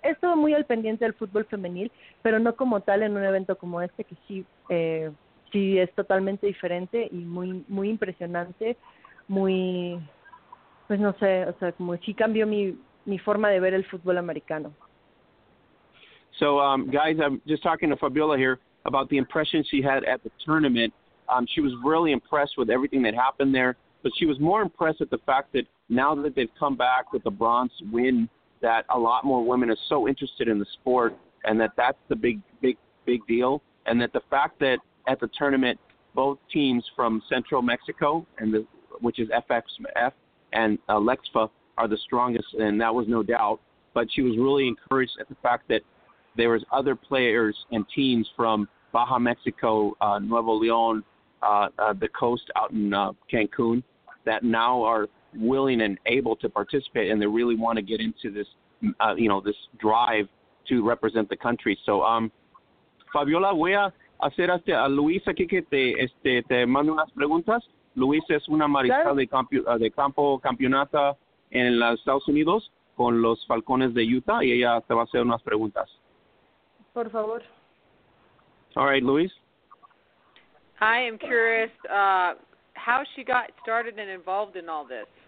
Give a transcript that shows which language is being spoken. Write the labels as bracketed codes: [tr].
[es] He estado muy al pendiente del fútbol femenil, pero no como tal en un evento como este, que sí es totalmente diferente y muy muy impresionante. She cambió mi forma de ver el fútbol americano. [en] So, guys, I'm just talking to Fabiola here about the impression she had at the tournament. She was really impressed with everything that happened there, but she was more impressed at the fact that now that they've come back with the bronze win, that a lot more women are so interested in the sport, and that that's the big, big, big deal. And that the fact that at the tournament, both teams from Central Mexico, and the, which is FXF and Lexfa, are the strongest, and that was no doubt. But she was really encouraged at the fact that there was other players and teams from Baja Mexico, Nuevo León, the coast out in Cancun, that now are willing and able to participate, and they really want to get into this, you know, this drive to represent the country. [es] So, Fabiola, voy a hacer hasta a Luis aquí que te, este, te mando unas preguntas. Luis es una mariscal de, de campo campeonata en los Estados Unidos con los Falcones de Utah, y ella te va a hacer unas preguntas. Por favor. [en] All right, Luis. I am curious how she got started and involved in all this.